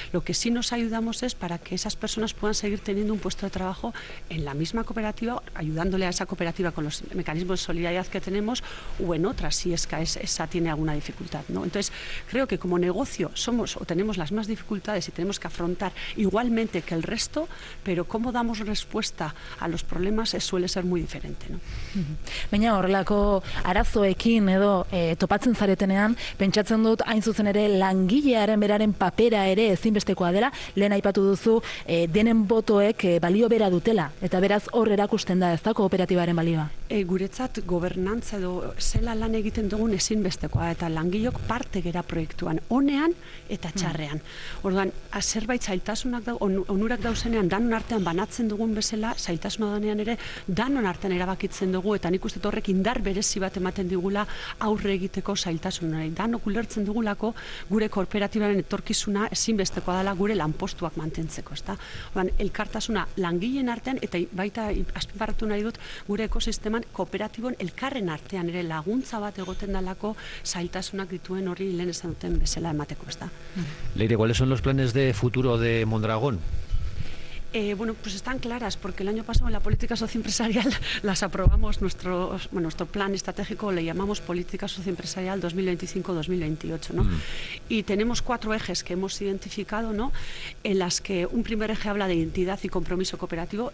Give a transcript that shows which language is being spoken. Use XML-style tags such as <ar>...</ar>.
<es>Lo que sí nos ayudamos es para que esas personas puedan seguir teniendo un puesto de trabajo en la misma cooperativa, ayudándole a esa cooperativa con los mecanismos de solidaridad que tenemos, o en otras si es que esa tiene alguna dificultad, ¿no? Entonces, creo que como negocio somos o tenemos las mismas dificultades y tenemos que afrontar igualmente que el resto, pero cómo damos respuesta a los problemas suele ser muy diferente, ¿no?</es> <eu>Baina horrelako arazoekin edo topatzen zaretenean, pentsatzen dut hain zuzen ere langilearen beraren papera ere ezinbestekoa dela, lehen aipatu duzu denen botoek balio bera dutela, eta beraz hor erakusten da, ez da, kooperatibaren balioa. guretzat gobernantza edo zela lan egiten dugun ezinbestekoa, eta langilok parte gera proiektuan, onean eta txarrean. Orduan, zerbait zailtasunak onurak dauzenean, danon artean banatzen dugun bezala, zailtasuna danean ere, danon artean erabakitzen dugu, eta nik uste horrek indar berezi bat ematen digula aurre egiteko zailtasunari. Danok ulertzen dugulako gure kooperatibaren etorkizuna ezinbestekoa dela gure lanpostuak mantentzeko, ezta? Orduan, elkartasuna langileen artean, eta baita azpimarratu nahi dut, gure ekosisteman kooperatibon elkarren artean ere laguntza bat egoten dalako zailtasunak dituen hori lehen esan duten bezala emateko, ezta?</eu> <es>Leire, ¿cuáles son los planes de futuro de Mondragón? Bueno, pues están claras, porque el año pasado en la política socioempresarial las aprobamos, nuestro plan estratégico le llamamos Política Socioempresarial 2025-2028, ¿no? Y tenemos cuatro ejes que hemos identificado, ¿no? En las que un primer eje habla de identidad y compromiso cooperativo.</es>